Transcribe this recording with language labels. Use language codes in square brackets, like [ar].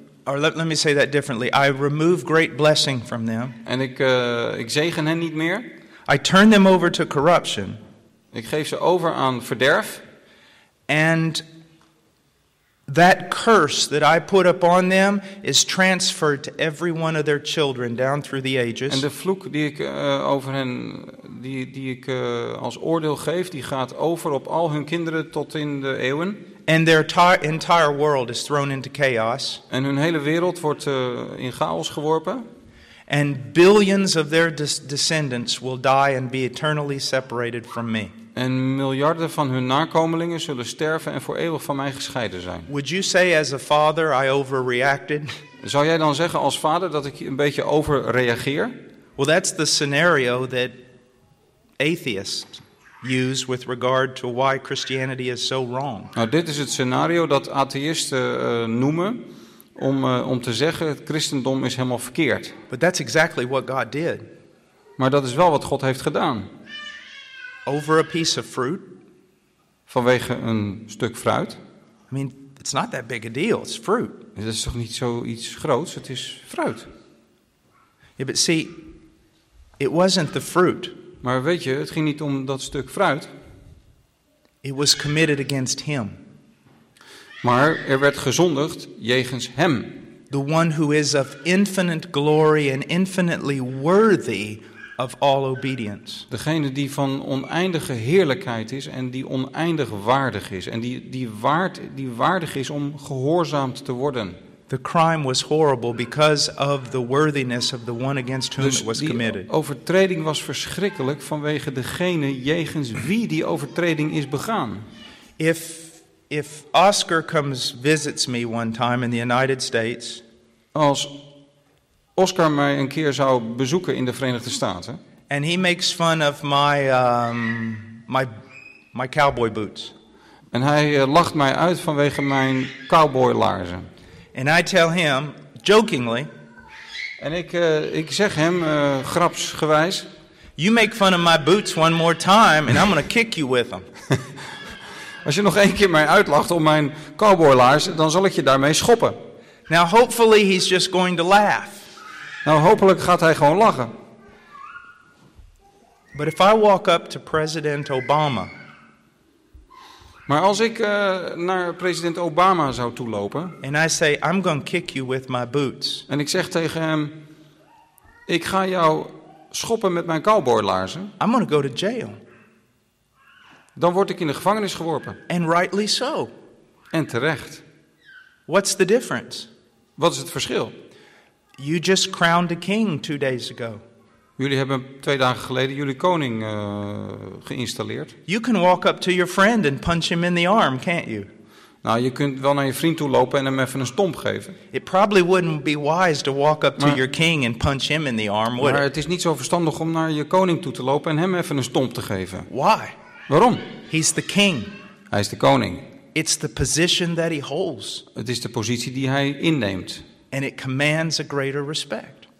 [en] Let me say that differently. I remove great blessing from them. [nl] En ik zegen hen niet meer. [en] I turn them over to corruption. [nl] Ik geef ze over aan verderf. [en] And that curse that I put upon them is transferred to every one of their children down through the ages. [nl] En de vloek die ik over hen die ik als oordeel geef, die gaat over op al hun kinderen tot in de eeuwen. [en] And their entire world is thrown into chaos. [nl] En hun hele wereld wordt in chaos geworpen. [en] And billions of their descendants will die and be eternally separated from me. [nl] En miljarden van hun nakomelingen zullen sterven en voor eeuwig van mij gescheiden zijn. [en] Would you say as a father I overreacted? [nl] Zou jij dan zeggen als vader dat ik een beetje overreageer? [en] Well, that's the scenario that atheists use with regard to why Christianity is so wrong. [nl] Nou, dit is het scenario dat atheïsten noemen om te zeggen het christendom is helemaal verkeerd. [en] But that's exactly what God did. [nl] Maar dat is wel wat God heeft gedaan. [en] Over a piece of fruit. [nl] Vanwege een stuk fruit. [en] I mean, it's not that big a deal. It's fruit. [nl] Het is toch niet zoiets groots. Het is fruit. [en] Yeah, but see, it wasn't the fruit. [nl] Maar weet je, het ging niet om dat stuk fruit. [en] It was committed against him. [nl] Maar er werd gezondigd jegens hem. [en] The one who is of infinite glory and infinitely worthy of all obedience. [nl] Degene die van oneindige heerlijkheid is en die oneindig waardig is en die waardig is om gehoorzaamd te worden. [en] The crime was horrible because of the worthiness of the one against whom [nl] dus [en] it was committed. [nl] Die overtreding was verschrikkelijk vanwege degene jegens wie die overtreding is begaan. [en] If Oscar comes visits me one time in the United States. [nl] Als Oscar mij een keer zou bezoeken in de Verenigde Staten. [en] And he makes fun of my my cowboy boots. [nl] En hij lacht mij uit vanwege mijn cowboylaarzen. [en] And I tell him jokingly. [nl] En ik zeg hem grapsgewijs. [en] You make fun of my boots one more time and I'm going to kick you with them. [nl] Als je nog één keer mij uitlacht om mijn cowboylaarzen, dan zal ik je daarmee schoppen. [en] Now hopefully he's just going to laugh. [nl] Nou, hopelijk gaat hij gewoon lachen. [en] But if I walk up to President Obama, [nl] maar als ik naar president Obama zou toelopen, [en] and I say, I'm gonna kick you with my boots, [nl] en ik zeg tegen hem, ik ga jou schoppen met mijn cowboylaarzen, [en] I'm gonna go to jail. [nl] Dan word ik in de gevangenis geworpen. [en] And rightly so. [nl] En terecht. [en] What's the difference? [nl] Wat is het verschil? [en] You just crowned a king 2 days ago. [nl] Jullie hebben 2 dagen geleden jullie koning geïnstalleerd. [en] You can walk up to your friend and punch him in the arm, can't you? [nl] Nou, je kunt wel naar je vriend toe lopen en hem even een stomp geven. [en] It probably wouldn't be wise to walk up to your king and punch him in the arm, would it? [nl] Maar het is niet zo verstandig om naar je koning toe te lopen en hem even een stomp te geven. [en] Why? [nl] Waarom? [en] He's the king. [nl] Hij is de koning. [en] It's the position that he holds. [nl] Het is de positie die hij inneemt. [en] And it commands a greater respect.